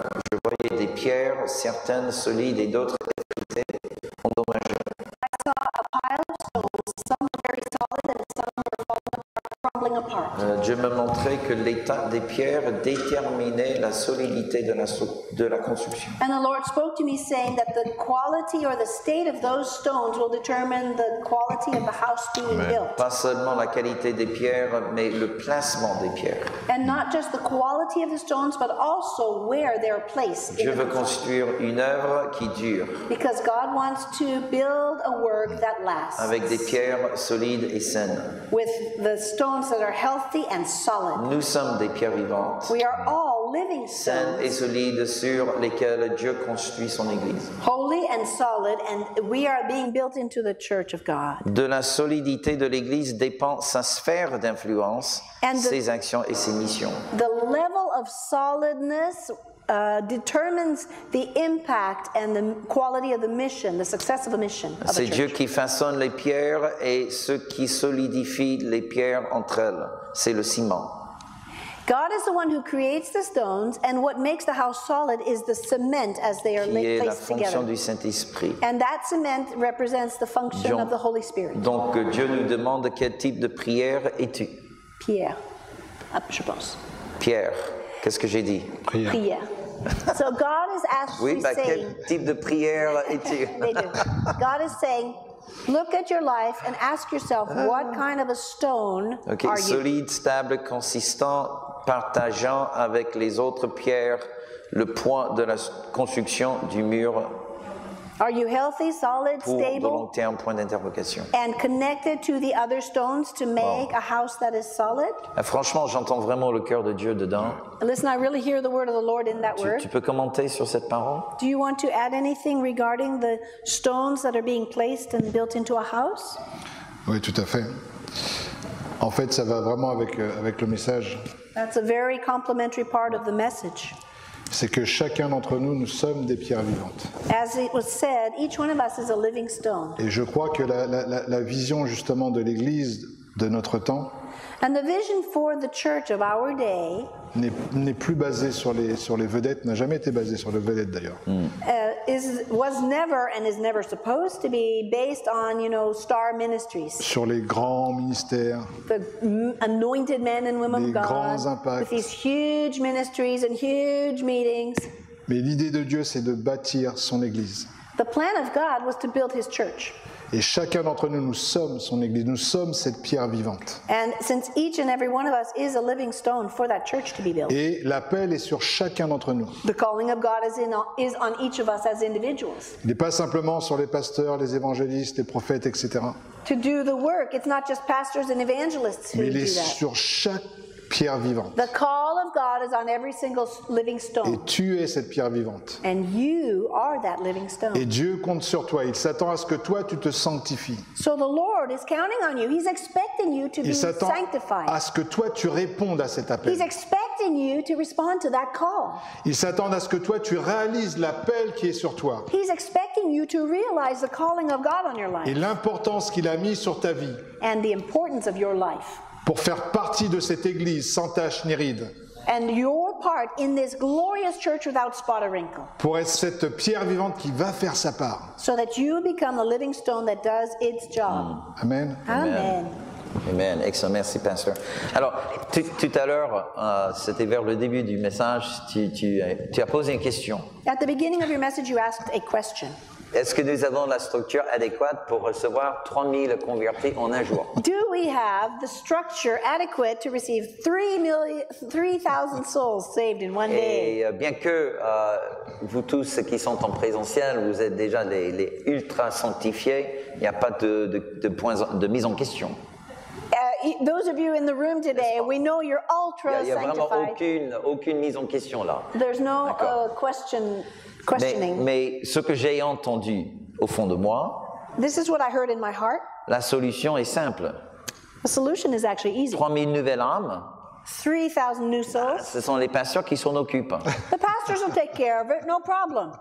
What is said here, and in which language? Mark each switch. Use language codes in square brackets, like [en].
[fr] Je voyais des pierres, certaines solides et d'autres étaient endommagées. [en] I saw a pile of stones, some very solid and some were crumbling apart. [fr] Dieu m'a montré que l'état des pierres déterminait la solidité de la construction. [en] And the Lord spoke to me saying that the quality or the state of those stones will determine the quality of the house being built. [fr] Pas seulement la qualité des pierres, mais le placement des pierres. [en] And not just the quality of the stones, but also where they are placed. [fr] Dieu veut construire une œuvre qui dure. [en] Because God wants to build a work that lasts. [fr] Avec des pierres solides et saines. [en] With the stones that are healthy. And solid. [fr] Nous sommes des pierres vivantes. [en] We are all living stones. [fr] Saintes et solides sur lesquelles Dieu construit son église. [en] Holy and solid, and we are being built into the church of God. [fr] De la solidité de l'église dépend sa sphère d'influence, ses actions et ses missions. [en] The level of solidness determines the impact and the quality of the mission, the success of the mission. [fr] C'est Dieu qui façonne les pierres et ce qui solidifie les pierres entre elles. C'est le ciment. [en] God is the one who creates the stones, and what makes the house solid is the cement as they are placed together. [fr] Qui est la fonction du Saint-Esprit. [en] And that cement represents the function of the Holy Spirit. [fr] Donc Dieu nous demande quel type de prière es-tu? Pierre, je pense. Pierre, qu'est-ce que j'ai dit? Prière. [en] So God is actually [fr] oui, [en] saying. [fr] Quel type de prière es-tu? [en] God is saying. Look at your life and ask yourself what kind of a stone okay, are you? [fr] Solide, stable, consistant, partageant avec les autres pierres le point de la construction du mur. [en] Are you healthy, solid, [fr] pour [en] stable? [fr] De long terme, point d'interrogation. [en] And connected to the other stones to make a house that is solid? [fr] Et franchement, j'entends vraiment le cœur de Dieu dedans. [en] Listen, I really hear the word of the Lord in that word. [fr] Tu peux commenter sur cette parole? [en] Do you want to add anything regarding the stones that are being placed and built into a house? [fr] Oui, tout à fait. En fait, ça va vraiment avec le message. [en] That's a very complimentary part of the message. [fr] C'est que chacun d'entre nous, nous sommes des pierres vivantes. [en] As it was said, each one of us is a living stone. [fr] Et je crois que la vision justement de l'Église de notre temps [en] and the vision for the church of our day [fr] n'est plus basée sur les vedettes, n'a jamais été basée sur les vedettes d'ailleurs. [en] Was never and is never supposed to be based on, you know, star ministries. [fr] Sur les grands ministères. [en] The anointed men and women of God. [fr] Les grands impacts. [en] With these huge ministries and huge meetings. [fr] Mais l'idée de Dieu, c'est de bâtir son église. [en] The plan of God was to build his church. [fr] Et chacun d'entre nous, nous sommes son église, nous sommes cette pierre vivante. [en] And since each and every one of us is a living stone for that church to be built. [fr] Et l'appel est sur chacun d'entre nous. [en] The calling of God is on each of us as individuals. [fr] Il n'est pas simplement sur les pasteurs, les évangélistes, les prophètes, etc. [en] To do the work, it's not just pastors and evangelists who do that. [fr] Mais il est sur chaque pierre vivante. [en] The call of God is on every single living stone. [fr] Et tu es cette pierre vivante. [en] And you are that living stone. [fr] Et Dieu compte sur toi. Il s'attend à ce que toi tu te sanctifies. [en] So the Lord is counting on you. He's expecting you to [fr] Il [en] be sanctified. [fr] Il s'attend à ce que toi tu répondes à cet appel. [en] He's expecting you to respond to that call. [fr] Il s'attend à ce que toi tu réalises l'appel qui est sur toi. [en] He's expecting you to realize the calling of God on your life. [fr] Et l'importance qu'il a mis sur ta vie. [en] And the importance of your life. [fr] Pour faire partie de cette église sans tache ni ride. [en] And your part in this glorious church without spot or wrinkle. [fr] Pour être cette pierre vivante qui va faire sa part. [en] So that you become the living stone that does its job. Amen. Amen. [fr] Amen. Excellent. Merci, pasteur. Alors, tout à l'heure, c'était vers le début du message, tu as posé une question. [en] At the beginning of your message, you asked a question. [fr] Est-ce que nous avons la structure adéquate pour recevoir 3000 convertis en un jour? [en] Do we have the structure adequate to receive 3000 souls saved in one day? [fr] Et bien que vous tous qui sont en présentiel, vous êtes déjà les ultra sanctifiés, il n'y a pas de mise en question. [en] Those of you in the room today, we know you're ultra sanctified. [fr] Il n'y a vraiment aucune mise en question là. [en] There's no question. [fr] Mais ce que j'ai entendu au fond de moi, [en] this is what I heard in my heart. [fr] La solution est simple. [en] The solution is actually easy. [fr] 3000 nouvelles âmes. [en] 3000 new souls. [fr] Ce sont les pasteurs qui s'en occupent. [en] The pastors will take care of it, no problem.